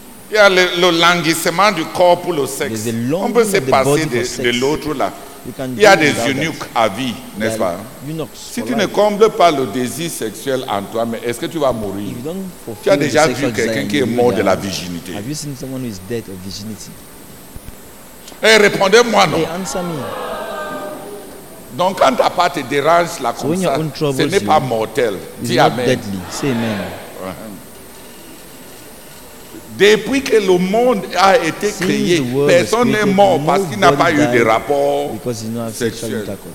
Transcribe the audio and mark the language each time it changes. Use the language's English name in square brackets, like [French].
[French] Il y a le languissement du corps pour le sexe. On peut se passer de l'autre là. Il y a des eunuques à vie, n'est-ce pas? Si tu ne combles pas le désir sexuel en toi, mais est-ce que tu vas mourir? Tu as déjà vu quelqu'un qui est mort de la virginité? [English] Have you seen someone who is dead of virginity? [French] Hey, répondez-moi non. [English] Hey, answer me. [French] Donc quand ta part te dérange là comme [English] so [French] ça, ce n'est pas mortel. Dis [English] amen. Deadly. Say amen. [French] Depuis que le monde a été créé, personne n'est mort parce qu'il n'a pas eu de rapport sexuel.